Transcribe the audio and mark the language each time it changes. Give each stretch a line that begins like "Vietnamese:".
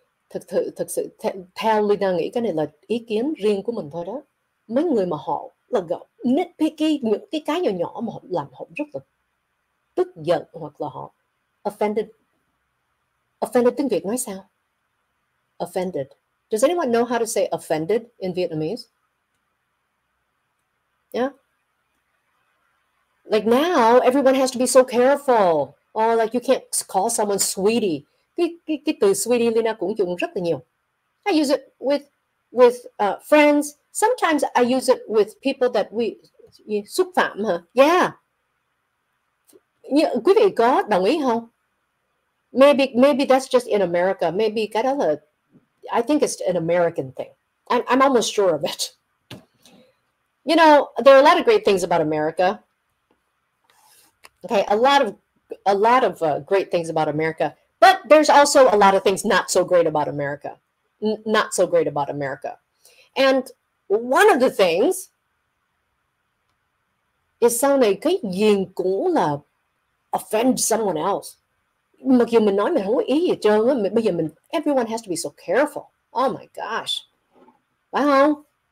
Vietnamese: Thực sự, theo Linda nghĩ cái này là ý kiến riêng của mình thôi đó. Mấy người mà họ là gặp nitpicky, những cái nhỏ nhỏ mà họ làm họ rất là tức giận hoặc là họ offended. Offended tiếng Việt nói sao?
English: Offended. Does anyone know how to say offended in Vietnamese? Yeah? Like now, everyone has to be so careful. Or like you can't call someone sweetie.
Vietnamese: Cái từ sweetie Lina cũng dùng rất là nhiều.
English: I use it with friends. Sometimes I use it with people that we
Vietnamese: xúc phạm,
English: huh? Yeah.
Vietnamese: Quý vị có đồng ý không?
English: Maybe that's just in America. Maybe
Vietnamese: cái đó là,
English: I think it's an American thing. I'm almost sure of it. You know, there are a lot of great things about America. Okay, a lot of great things about America, but there's also a lot of things not so great about America. Not so great about America. And one of the things is
Vietnamese: sau này cái nhìn cũng là
English: offend someone else.
Vietnamese: Mặc dù mình nói mình không có ý gì chứ, bây giờ mình,
English: everyone has to be so careful. Oh my gosh.
Vietnamese: Phải không?